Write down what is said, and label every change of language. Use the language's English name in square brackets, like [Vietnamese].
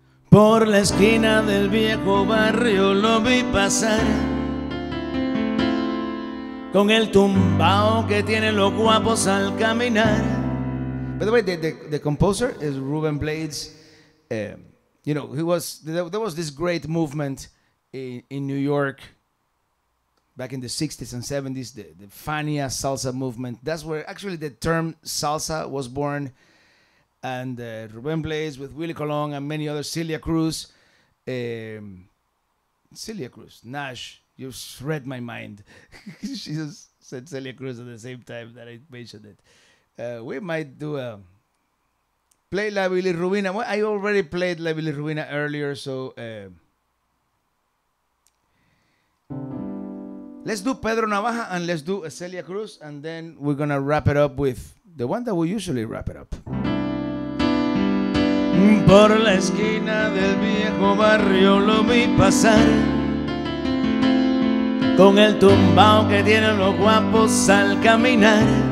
[Spanish] Por la esquina del viejo barrio lo vi pasar, con el tumbao que tienen los guapos al caminar. [English] By the way, the composer is Ruben Blades. You know, he was there was this great movement in New York back in the 60s and 70s, the Fania salsa movement. That's where actually the term salsa was born. and Ruben Blades with Willie Colon and many others, Celia Cruz. Celia Cruz, Nash, you've read my mind. She just said Celia Cruz at the same time that I mentioned it. We might do a play La Bilirrubina. Well, I already played La Bilirrubina earlier, so let's do Pedro Navaja and let's do a Celia Cruz, and then we're gonna wrap it up with the one that we usually wrap it up. [Spanish] Por la esquina del viejo barrio lo vi pasar, con el tumbao que tienen los guapos al caminar.